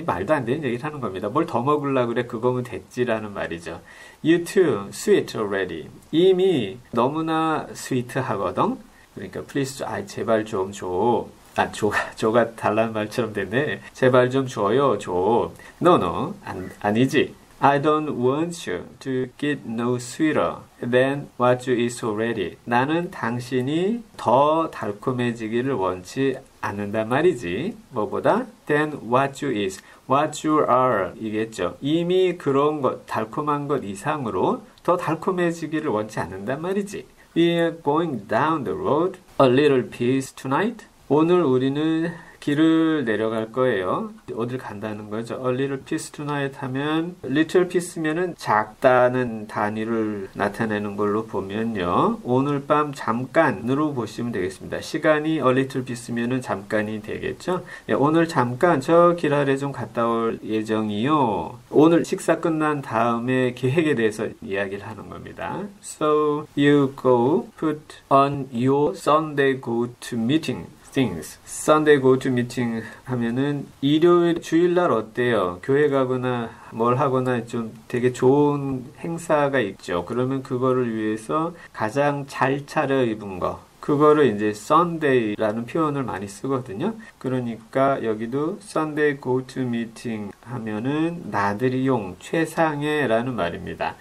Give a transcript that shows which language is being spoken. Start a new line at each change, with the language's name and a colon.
Korean: 말도 안 되는 얘기를 하는 겁니다. 뭘더 먹으려고 그래? 그거면 됐지라는 말이죠.
English: You too sweet already.
Korean: 이미 너무나 스위트하거든. 그러니까 please, 아이 제발 좀 줘. 아, 조가 달란 말처럼 됐네. 제발 좀 줘요, 조.
English: No, no,
Korean: 아니지.
English: I don't want you to get no sweeter than what you is already.
Korean: 나는 당신이 더 달콤해지기를 원치 않는단 말이지. 뭐보다?
English: than what you is, what you are 이겠죠.
Korean: 이미 그런 것, 달콤한 것 이상으로 더 달콤해지기를 원치 않는단 말이지.
English: We are going down the road a little piece tonight.
Korean: 오늘 우리는 길을 내려갈 거예요. 어딜 간다는 거죠?
English: A little piece tonight
Korean: 하면, little piece면은 작다는 단위를 나타내는 걸로 보면요. 오늘 밤 잠깐으로 보시면 되겠습니다. 시간이 a little piece면은 잠깐이 되겠죠? 예, 오늘 잠깐 저길 아래 좀 갔다 올 예정이요. 오늘 식사 끝난 다음에 계획에 대해서 이야기를 하는 겁니다.
English: So you go put on your Sunday go to meeting. Things. Sunday go to meeting
Korean: 하면은 일요일 주일날 어때요? 교회 가거나 뭘 하거나 좀 되게 좋은 행사가 있죠. 그러면 그거를 위해서 가장 잘 차려입은 거. 그거를 이제 Sunday라는 표현을 많이 쓰거든요. 그러니까 여기도 Sunday go to meeting 하면은 나들이용 최상의라는 말입니다.